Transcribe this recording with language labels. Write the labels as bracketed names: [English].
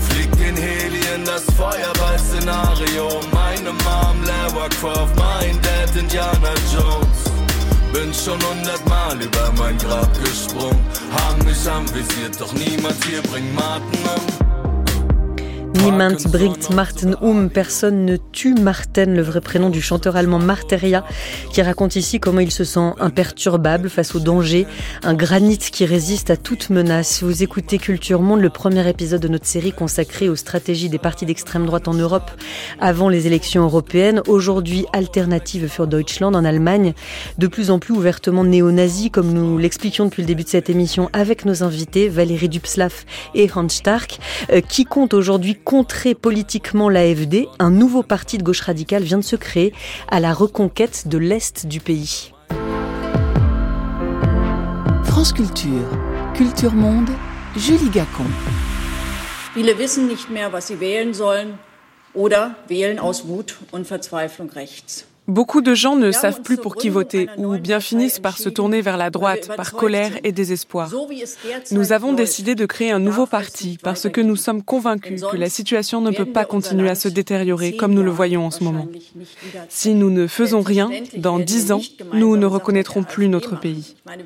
[German] Flieg den Heli in das Feuerball-Szenario. Meine Mom, Lara Croft, mein Dad, Indiana Jones. Bin schon hundertmal über mein Grab gesprungen. Haben mich anvisiert, doch niemand hier bringt Martin um. Niemand bringt Martin um, [French] personne ne tue Martin, le vrai prénom du chanteur allemand Marteria, qui raconte ici comment il se sent imperturbable face au danger, un granit qui résiste à toute menace. Vous écoutez Culture Monde, le premier épisode de notre série consacrée aux stratégies des partis d'extrême droite en Europe avant les élections européennes. Aujourd'hui, Alternative für Deutschland en Allemagne, de plus en plus ouvertement néo-nazi, comme nous l'expliquions depuis le début de cette émission avec nos invités Valérie Dubslaff et Hans Stark, qui compte aujourd'hui contrer politiquement l'AFD, un nouveau parti de gauche radicale vient de se créer à la reconquête de l'Est du pays. France Culture, Culture Monde, Julie Gacon. [German] Viele wissen nicht mehr, was sie wählen sollen oder wählen aus Wut und Verzweiflung rechts. [French] Beaucoup de gens ne savent plus pour qui voter ou bien finissent par se tourner vers la droite par colère et désespoir. Nous avons décidé de créer un nouveau parti parce que nous sommes convaincus que la situation ne peut pas continuer à se détériorer comme nous le voyons en ce moment. Si nous ne faisons rien, dans 10 ans, nous ne reconnaîtrons plus notre pays.